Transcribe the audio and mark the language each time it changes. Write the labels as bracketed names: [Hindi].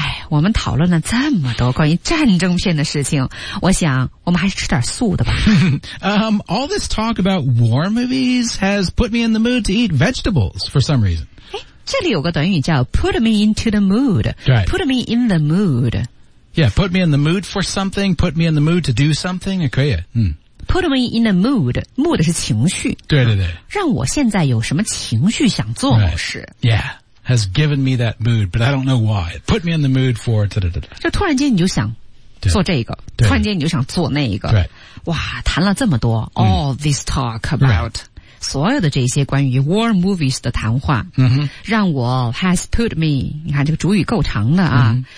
[Chinese] 我们讨论了这么多关于战争片的事情，我想我们还是吃点素的吧。 [English] all this talk about war movies has put me in the mood to eat vegetables for some reason. [Chinese] 这里有个短语叫 [English] put me into the mood. Right. Put me in the mood. Yeah, put me in the mood for something, put me in the mood to do something, [Chinese] 也可以。 [English] Put me in the mood. Mood [Chinese] 是情绪。对对对。让我现在有什么情绪想做某事。 [English] Right. Yeah. Has given me that mood, but I don't know why. It put me in the mood for... [Chinese] 就突然间你就想做这个突然间你就想做那个、 [English] right. [Chinese] 哇谈了这么多、 [English] All this talk about、 right. [Chinese] 所有的这些关于 [English] war movies [Chinese] 的谈话、 mm-hmm. 让我 [English] has put me [Chinese] 你看这个主语够长的啊、 mm-hmm.